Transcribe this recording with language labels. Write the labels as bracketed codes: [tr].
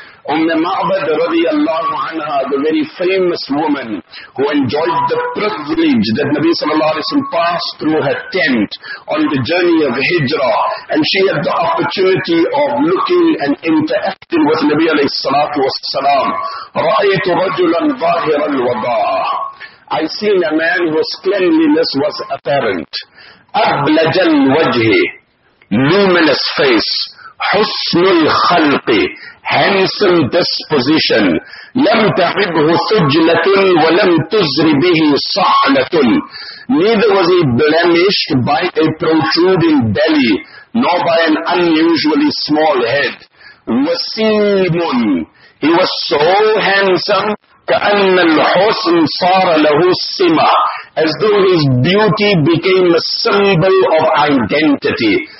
[en] Umm Ma'bad radiallahu anha, the very famous woman who enjoyed the privilege that Nabi sallallahu alayhi wa sallam passed through her tent on the journey of Hijrah, and she had the opportunity of looking and interacting with Nabi alayhi salatu wa sallam. [ar] Ra'aytu rajulan zahir al-wada. [en] I seen a man whose cleanliness was apparent. [ar] Ablaj al-wajhi, [en] luminous face. [ar] Husnul khalqi, [en] handsome disposition. [ar] لم تحبه ثجلة ولم تزر به صحلة. [en] Neither was he blemished by a protruding belly, nor by an unusually small head. [ar] وسيمٌ, [en] he was so handsome, [ar] كأن الحسن صار له سمة, [en] as though his beauty became a symbol of identity.